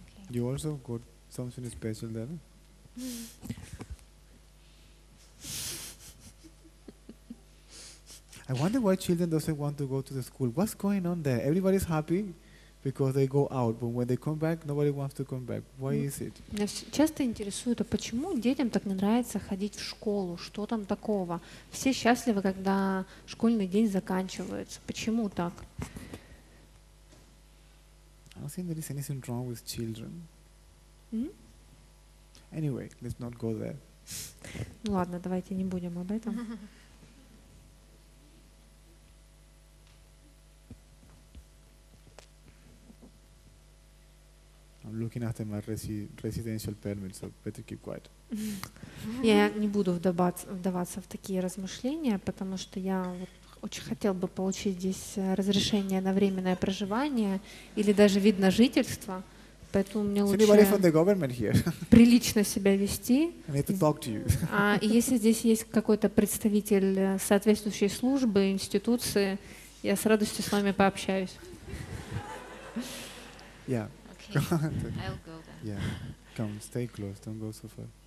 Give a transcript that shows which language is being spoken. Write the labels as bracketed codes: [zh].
[en] You also got something special then? I wonder why children doesn't want to go to the school. What's going on there? Everybody's happy because they go out, but when they come back, nobody wants to come back. Why is it? [ru] Меня часто интересует, а почему детям так не нравится ходить в школу? Что там такого? Все счастливы, когда школьный день заканчивается. Почему так? [en] I don't think there is anything wrong with children. Anyway, let's not go there. [ru] Ну ладно, давайте не будем об этом. [en] I'm looking after my residential permit, so better keep quiet. [ru] Я не буду вдаваться в такие размышления, потому что я очень хотел бы получить здесь разрешение на временное проживание или даже вид на жительство, поэтому мне лучше прилично себя вести. [en] I need to talk to you. [ru] А если здесь есть какой-то представитель соответствующей службы, институции, я с радостью с вами пообщаюсь. [en] Yeah. I'll go then. Yeah. Come, stay close, don't go so far.